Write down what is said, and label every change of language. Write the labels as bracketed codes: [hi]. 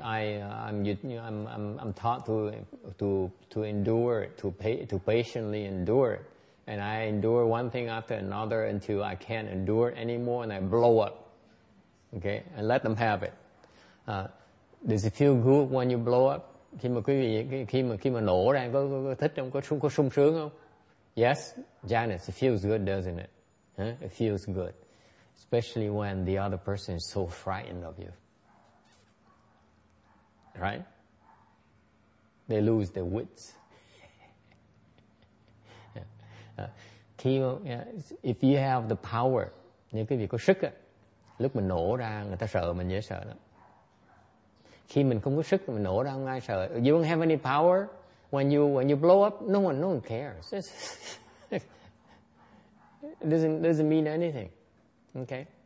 [en] I'm taught to endure it, to patiently endure it, and I endure one thing after another until I can't endure it anymore, and I blow up. Okay, and let them have it. Does it feel good when you blow up? [vi] Khi mà quý vị khi mà nổ ra có thích không, có sung sướng không? [en] Yes, Janice, it feels good, doesn't it? Huh? It feels good. Especially when the other person is so frightened of you. Right? They lose their wits. If you have the power, [vi] những cái việc có sức á, lúc mình nổ ra người ta sợ mình dễ sợ lắm. Khi mình không có sức mình nổ ra không ai sợ. [en] You don't have any power when you blow up, no one cares. It doesn't mean anything. Okay.